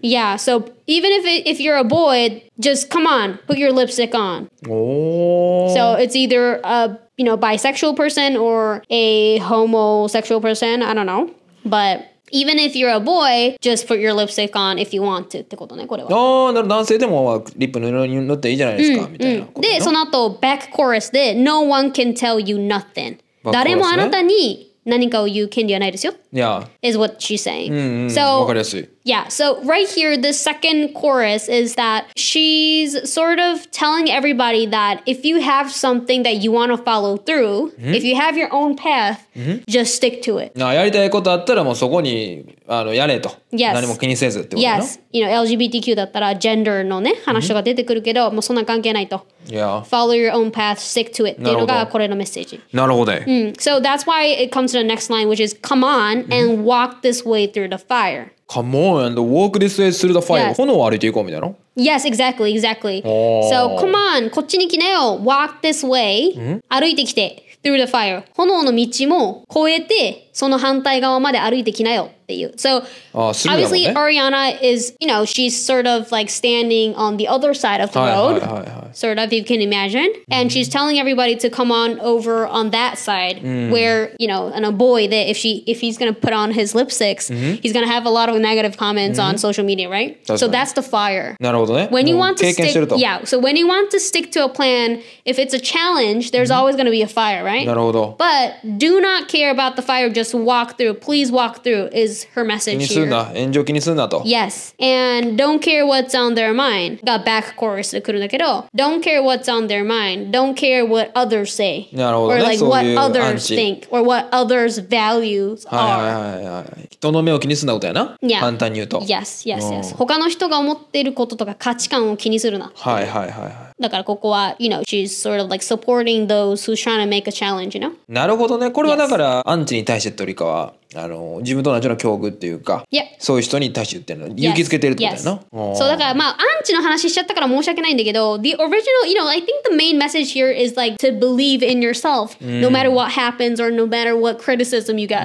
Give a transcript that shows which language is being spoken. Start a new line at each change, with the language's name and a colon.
English: Yeah, so even if you're a boy, just come on, put your lipstick on. So it's either a... You know, bisexual person or a homosexual person. I don't know. But even if you're a boy, just put your lipstick on if you want to.
Japanese: ってことね、これは。ああ、なる男性でもリップ塗っていいじゃないですか、うん、みたいなことで、その後、back chorus で、
English: No one can tell you nothing.、
Japanese: ね、誰もあなたに何かを言う権利はないですよ。
English: Yeah. Is what she's saying.
Japanese: うん、うん、so, わかりやすい。
English: Yeah, so right here, the second chorus is that she's sort of telling everybody that if you have something that you want to follow through, if you have your own path, just stick to it.
Japanese: あ、やりたいことあったらもうそこにあのやれと。
English: Yes.
Japanese: 何も気にせずってことだよ。
English: Yes. You know,
Japanese: LGBTQ だったらジェンダーのね、話が出てくるけど、もうそんな関係ないと。
English: Yeah. Follow your own path, stick to it.
Japanese: っていうのがこれのメッセージ。なるほど。うん。
English: So that's why it comes to the next line, which is, come on and walk this way through the fire. Come on and walk this way through the fire.
Japanese: 炎を歩いていこうみたいな?
English: Yes, exactly, exactly. So, come on,
Japanese: こっちに来なよ.
English: Walk this way.
Japanese: 歩いてきて.
English: Through the fire.
Japanese: 炎の道も越えて、その反対側まで歩いてきなよ. っていう.
English: So, obviously, Ariana is, you know, she's sort of like standing on the other side of the road. Sort of, you can imagine. And she's telling everybody to come on over on that side where, you know, and a boy that if he's going to put on his lipsticks, he's going to have a lot of negative comments on social media, right? So that's the fire.
Japanese: なるほどね。
English: When you want to stick, yeah, so when you want to stick to a plan, if it's a challenge, there's always going to be a fire, right?
Japanese: なるほど。
English: But do not care about the fire, just walk through. Please walk through is her message here.
Japanese: 気にするな。炎上気にするなと。
English: Yes. And don't care what's on their mind. が back chorus
Japanese: で来るんだけど。
English: Don't care what's on their mind. Don't care what others say.
Japanese: なるほどね。
English: Or like
Japanese: そういう
English: what others think. Or what others values are.
Japanese: はいはいはいはい。人の目を気にするなことやな。
English: Yeah.
Japanese: 簡単に言うと。
English: Yes, yes, yes.
Japanese: 他の人が思っていることとか価値観を気にするな。はいはいはいはい。だからここは、
English: you know, she's sort of like supporting those who's trying to make a challenge, you know?
Japanese: なるほどね。これはだから、アンチに対してとりかは、あの自分と同じような境遇っていうか、
English: yep.
Japanese: そういう人に対して言ってるの、勇気づけてるってことだよな。
English: Yes.
Japanese: そうだから、まあ、アンチの話しちゃったから申し訳ないんだけど、
English: the original, you know, I think the main message here is like to believe in yourself, no matter what happens or no matter what criticism you get.